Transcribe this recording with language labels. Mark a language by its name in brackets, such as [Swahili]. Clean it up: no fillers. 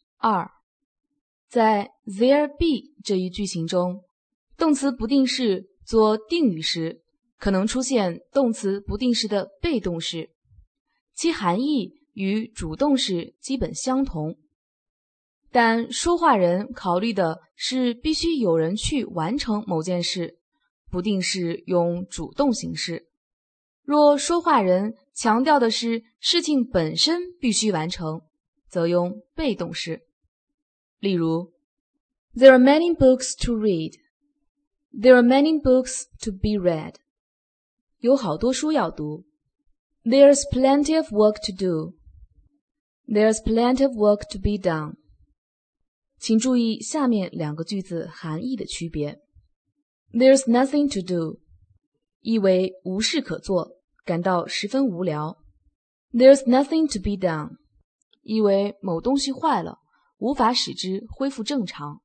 [Chinese] 二，在 there be 这一句型中，动词不定式做定语时，可能出现动词不定式的被动式，其含义与主动式基本相同，但说话人考虑的是必须有人去完成某件事，不定式用主动形式。若说话人强调的是事情本身必须完成，则用被动式。例如 [English] There are many books to read. There are many books to be read. [Chinese] 有好多书要读。 [English] There's plenty of work to do. There's plenty of work to be done. [Chinese] 请注意下面两个句子含义的区别。 [English] There's nothing to do. [Chinese] 意为无事可做，感到十分无聊。 [English] There's nothing to be done. [Chinese] 意为某东西坏了，无法使之恢复正常。